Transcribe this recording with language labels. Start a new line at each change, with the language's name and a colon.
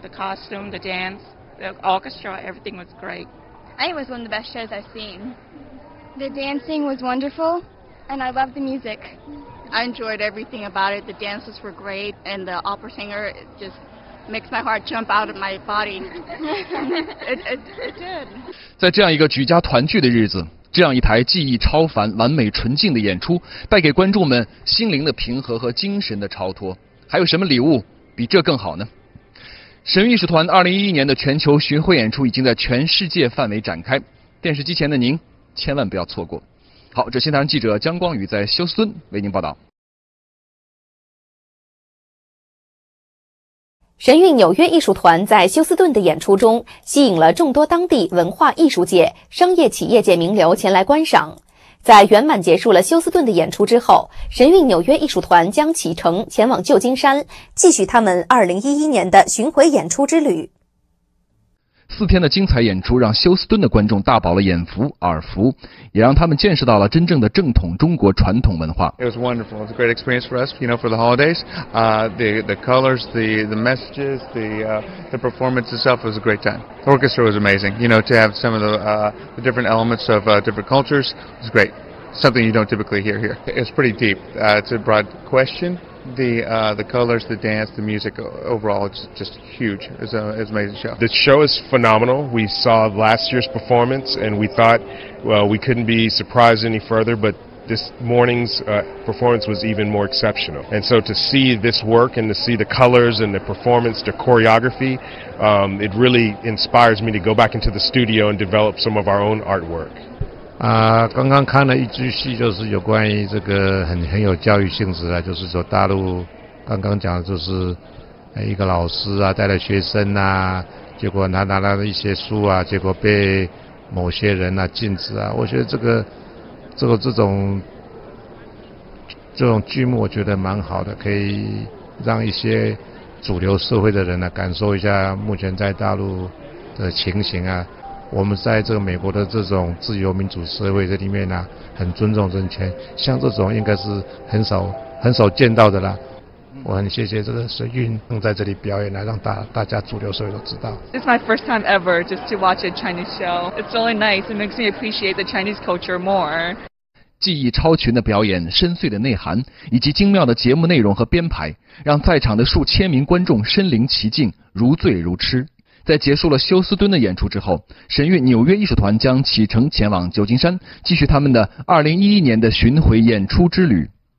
English: The costume, the dance, the orchestra, everything was great. I think it was one of the best shows I've seen. The dancing was wonderful, and I loved the music. I enjoyed everything about it. The dances were great, and the opera singer just makes my heart jump out of my body. It did.
Chinese: 在这样一个举家团聚的日子，这样一台技艺超凡、完美纯净的演出，带给观众们心灵的平和和精神的超脱。还有什么礼物比这更好呢？神韵艺术团2011年的全球巡回演出已经在全世界范围展开，电视机前的您千万不要错过。好，这新唐人记者江光宇在休斯敦为您报道。神韵纽约艺术团在休斯顿的演出中吸引了众多当地文化艺术界、商业企业界名流前来观赏。在圆满结束了休斯顿的演出之后，神韵纽约艺术团将启程前往旧金山，继续他们2011年的巡回演出之旅。四天的精彩演出让休斯顿的观众大饱了眼福、耳福，也让他们见识到了真正的正统中国传统文化。
English: It was wonderful. It was a great experience for us, you know, for the holidays. The colors, the messages, the performance itself was a great time. The orchestra was amazing. You know, to have some of the different elements of different cultures was great. Something you don't typically hear here. It's pretty deep. It's a broad question. The colors, the dance, the music overall, it's just huge. It's an amazing show. The show is phenomenal. We saw last year's performance and we thought, well, we couldn't be surprised any further, but this morning's performance was even more exceptional. And so to see this work and to see the colors and the performance, the choreography, it really inspires me to go back into the studio and develop some of our own artwork.
Chinese: 刚刚看了一支戏，就是有关于这个很有教育性质的，就是说大陆刚刚讲的就是一个老师啊带了学生啊，结果他拿了一些书啊，结果被某些人啊禁止啊。我觉得这个这种剧目我觉得蛮好的，可以让一些主流社会的人呢、啊、感受一下目前在大陆的情形啊。我们在这个美国的这种自由民主社会这里面呢、啊、很尊重人权，像这种应该是很少见到的啦。我很谢谢这个神韵能在这里表演，来让大家主流社会都知道。
English: It's my first time ever just to watch a Chinese show. It's really nice. It makes me appreciate the Chinese culture more.
Chinese: 技艺超群的表演、深邃的内涵以及精妙的节目内容和编排，让在场的数千名观众身临其境，如醉如痴。在结束了休斯敦的演出之后，神韵纽约艺术团将启程前往旧金山，继续他们的2011年的巡回演出之旅。